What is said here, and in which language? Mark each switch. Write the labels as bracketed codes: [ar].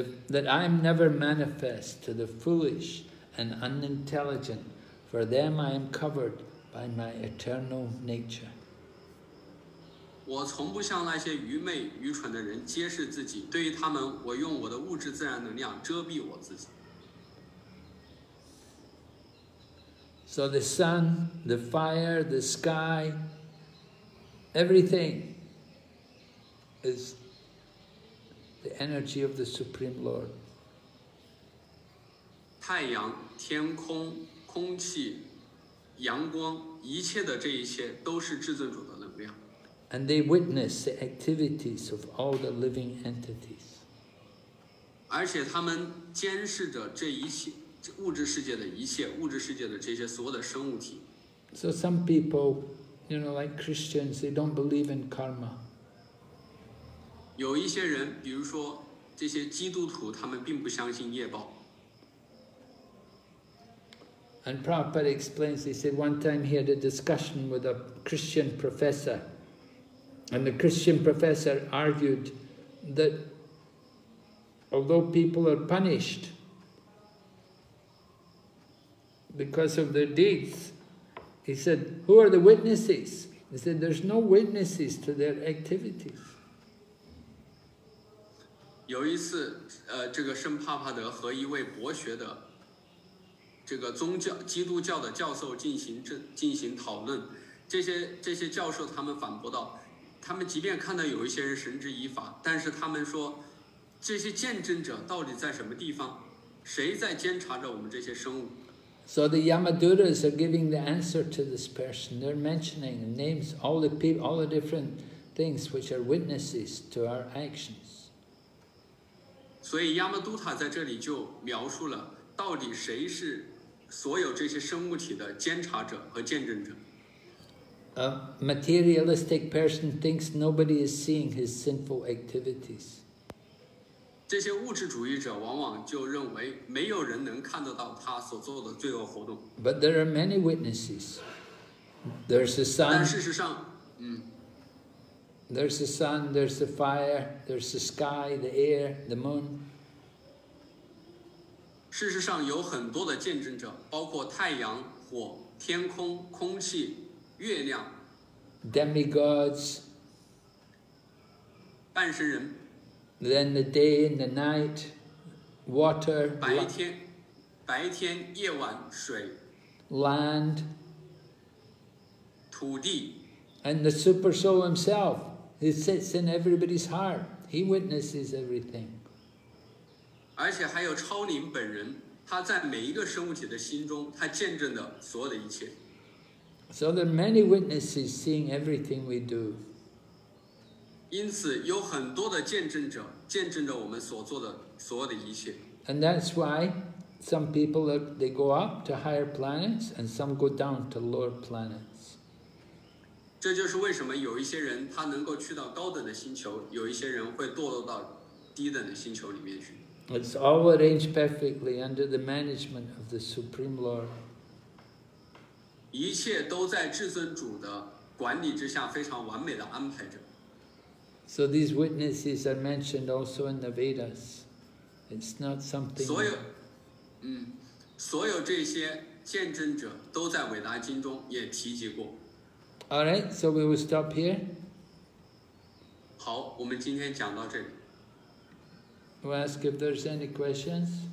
[en] That I am never manifest to the foolish and unintelligent, for them I am covered by my eternal nature. [zh] 我从不向那些愚昧愚蠢的人揭示自己，对于他们，我用我的物质自然能量遮蔽我自己。 [en] So the sun, the fire, the sky, everything is. The energy of the Supreme Lord. [zh] 太阳、天空、空气、阳光，一切的这一切都是至尊主的能量。 [en] And they witness the activities of all the living entities. [zh] 而且他们监视着这一切这物质世界的一切，物质世界的这些所有的生物体。 [en] So some people, you know, like Christians, they don't believe in karma. [zh] 有一些人，比如说这些基督徒，他们并不相信业报。 [en] And Prabhupada explains, he said one time he had a discussion with a Christian professor, and the Christian professor argued that although people are punished because of their deeds, he said, who are the witnesses? He said, there's no witnesses to their activities. [zh] 有一次，这个圣帕帕德和一位博学的这个宗教基督教的教授进行讨论，这些教授他们反驳道，他们即便看到有一些人绳之以法，但是他们说这些见证者到底在什么地方，谁在监察着我们这些生物。 [en] So the Yamaduras are giving the answer to this person. They're mentioning names all the people, all the different things which are witnesses to our actions. [zh] 所以亚玛都塔在这里就描述了到底谁是所有这些生物体的监察者和见证者。 [en] A materialistic person thinks nobody is seeing his sinful activities. [zh] 这些物质主义者往往就认为没有人能看得到他所做的罪恶活动。 [en] But there are many witnesses. There's the sun. [zh] 但事实上， [en] There's the sun, there's the fire, there's the sky, the air, the moon. [zh] 事实上有很多的见证者，包括太阳、火、天空、空气、月亮。 [en] Demigods. [zh] 半神人。 [en] Then the day and the night, water. [zh] 白天夜晚水。 [en] Land. [zh] 土地。 [en] And the super soul himself. It sits in everybody's heart. He witnesses everything. [zh] 而且还有超灵本人，他在每一个生物体的心中，他见证的所有的一切。 [en] So there are many witnesses seeing everything we do. [zh] 因此有很多的见证者见证着我们所做的所有的一切。 [en] And that's why some people they go up to higher planets, and some go down to lower planets. [zh] 这就是为什么有一些人他能够去到高等的星球，有一些人会堕落到低等的星球里面去。 [en] It's all arranged perfectly under the management of the Supreme Lord. [zh] 一切都在至尊主的管理之下，非常完美的安排着。 [en] So these witnesses are mentioned also in the Vedas. It's not something. [zh] 所有这些见证者都在伟达经中也提及过。 [en] All right, so we will stop here. [zh] 好，我们今天讲到这里。 [en] We'll ask if there's any questions.